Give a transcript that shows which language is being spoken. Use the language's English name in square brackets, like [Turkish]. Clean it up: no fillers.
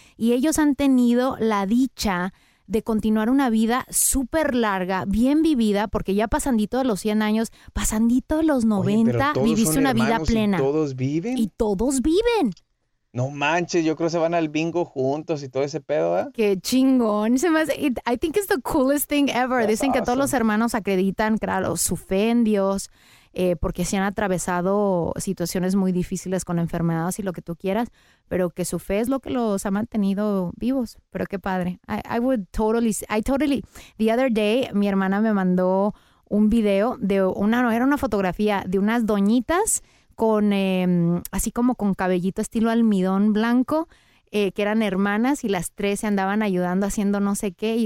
[Spanish] Y ellos han tenido la dicha de continuar una vida súper larga, bien vivida, porque ya pasandito de los 100 años, pasandito de los 90, oye, viviste una vida plena. Y todos viven. Y todos viven. No manches, yo creo que se van al bingo juntos y todo ese pedo, ¿eh? Qué chingón. Se me hace, [English] I think it's the coolest thing ever. That's [Spanish] Dicen [English] awesome. [Spanish] Que todos los hermanos acreditan, claro, su fe en Dios, porque sí han atravesado situaciones muy difíciles con enfermedades y lo que tú quieras, pero que su fe es lo que los ha mantenido vivos. Pero qué padre. [English] I totally, [Spanish] the other day, mi hermana me mandó un video de una, no, era una fotografía de unas doñitas con así como con cabellito estilo almidón blanco, que eran hermanas y las tres se andaban ayudando haciendo no sé qué.